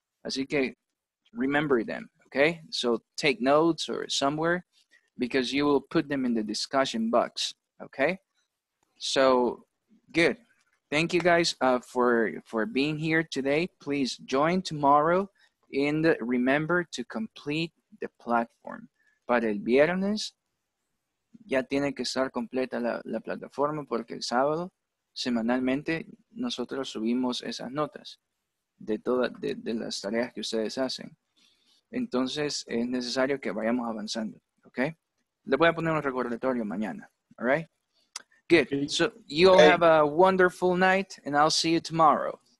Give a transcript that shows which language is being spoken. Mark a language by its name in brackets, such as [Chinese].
[English] As you can remember them, okay? So take notes or somewhere, because you will put them in the discussion box, okay? So good. Thank you guys for being here today. Please join tomorrow and remember to complete the platform. [Spanish] Para el viernes, ya tiene que estar completa la plataforma porque el sábado, semanalmente, nosotros subimos esas notas de las tareas que ustedes hacen. Entonces, es necesario que vayamos avanzando, okay? Le voy a poner un recordatorio mañana, all right? [English] Good. So you all have a wonderful night, and I'll see you tomorrow.